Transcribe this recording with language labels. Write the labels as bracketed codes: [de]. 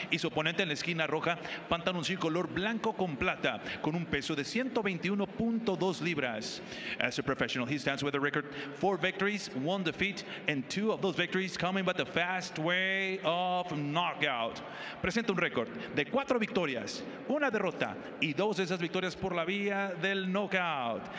[es] Y su oponente en la esquina roja, pantaloncillo color blanco con plata, con un peso de 121.2 libras. [en] As a professional, he stands with a record 4 victories, 1 defeat, and 2 of those victories coming by the fast way of knockout. [es] Presenta un récord de 4 victorias, 1 derrota, y 2 de esas victorias por la vía del knockout.